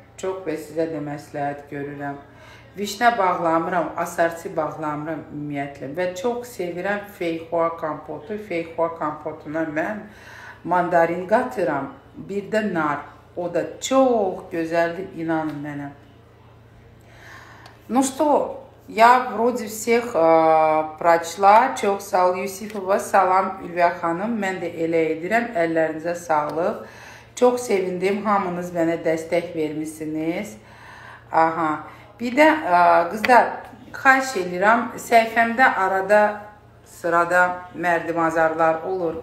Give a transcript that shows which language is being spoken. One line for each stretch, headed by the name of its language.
Azerbaijani: Çox və sizə də məsləhət görürəm. Vişnə bağlamıram, asarçı bağlamıram ümumiyyətlə və çox sevirəm feyxua kompotu. Feyxua kompotuna mən mandarin qatıram, bir də nar. O da çox gözəldir, inanın mənə.
Russian: Ну что, я вроде всех прочла.
Azerbaijani: Çox sağ ol, Yusifova. Salam, Ülviyə xanım. Mən də elə edirəm, əllərinizə sağlıq. Çox sevindim, hamınız mənə dəstək vermişsiniz. Aha. Bir də, qızlar, xayş edirəm, səhifəmdə arada sırada mərdimazarlar olur.